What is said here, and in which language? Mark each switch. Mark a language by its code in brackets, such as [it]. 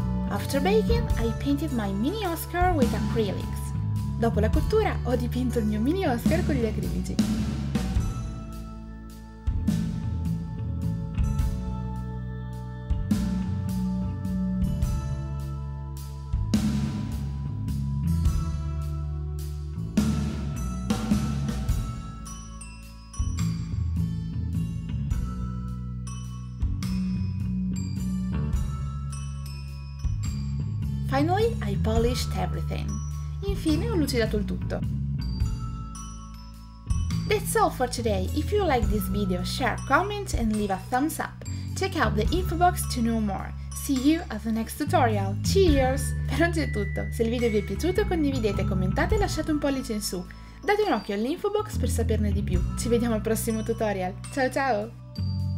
[en] After baking, I painted my mini Oscar with acrylics. [it] Dopo la cottura, ho dipinto il mio mini Oscar con gli acrilici. [en] Finally, I polished everything. [it] Infine ho lucidato il tutto. [en] That's all for today. If you like this video, share, comment and leave a thumbs up. Check out the info box to know more. See you at the next tutorial. Cheers! [it] Per oggi è tutto. Se il video vi è piaciuto, condividete, commentate e lasciate un pollice in su. Date un occhio all'info box per saperne di più. Ci vediamo al prossimo tutorial. Ciao ciao!